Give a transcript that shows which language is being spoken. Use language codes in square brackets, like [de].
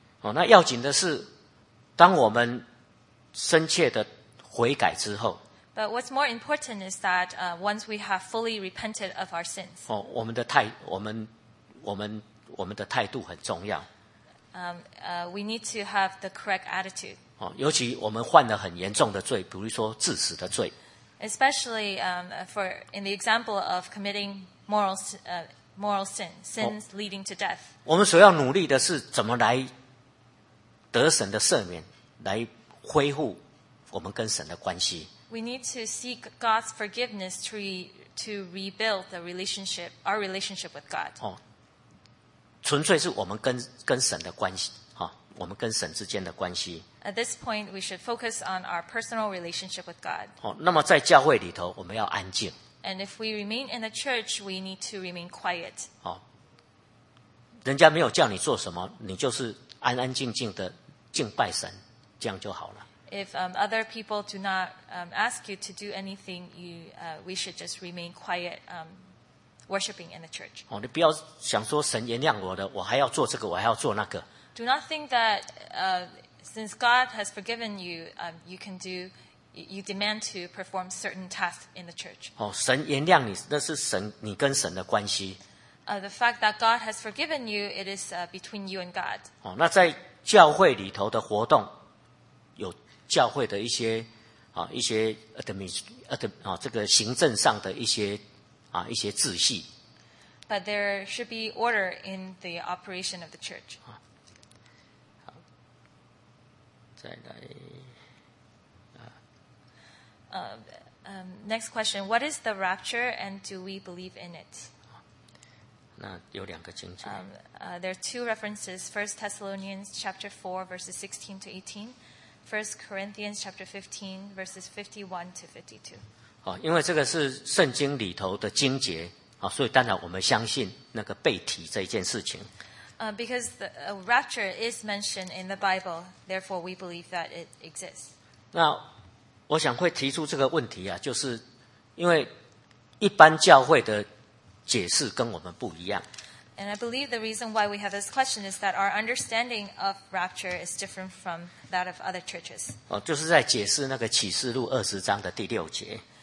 [zh] 哦，那要紧的是，当我们深切的悔改之后。 [en] But what's more important is that once we have fully repented of our sins. [zh] 哦，我们的态度很重要。 [en] We need to have the correct attitude. [zh] 哦，尤其我们犯了很严重的罪，比如说致死的罪。 [en] Especially for in the example of committing moral sins leading to death. [zh] 我们所要努力的是怎么来得神的赦免，来恢复我们跟神的关系。 [en] We need to seek God's forgiveness to rebuild the relationship, our relationship with God. [zh] 哦，纯粹是我们跟神的关系，哈，我们跟神之间的关系。 [en] At this point, we should focus on our personal relationship with God. [zh] 哦，那么在教会里头，我们要安静。 [en] And if we remain in the church, we need to remain quiet. [zh] 哦，人家没有叫你做什么，你就是安安静静的敬拜神，这样就好了。 [en] If other people do not ask you to do anything, we should just remain quiet. Worshiping in the church. [zh] 哦，你不要想说神原谅我的，我还要做这个，我还要做那个。 [en] Do not think that since God has forgiven you, you demand to perform certain tasks in the church. [zh] 哦，神原谅你，那是神你跟神的关系。 [en] The fact that God has forgiven you, it is between you and God. [zh] 哦，那在教会里头的活动，有教会的一些啊、哦、一些 这个行政上的一些。啊，一些秩序。 [en] But there should be order in the operation of the church. [zh] 再来。 [en] Next question. What is the rapture and do we believe in it? [zh] 那有两个经节。 [en] There are two references. 1 Thessalonians chapter 4 verses 16 to 18. 1 Corinthians chapter 15 verses 51 to 52. [zh] 因为这个是圣经里头的经节，所以当然我们相信那个被提这一件事情。 [en] Because the rapture is mentioned in the Bible, therefore we believe that it exists. [zh] 那我想会提出这个问题啊，就是因为一般教会的解释跟我们不一样。 [en] And I believe the reason why we have this question is that our understanding of rapture is different from that of other churches. [zh] 就是在解释那个启示录二十章的第六节。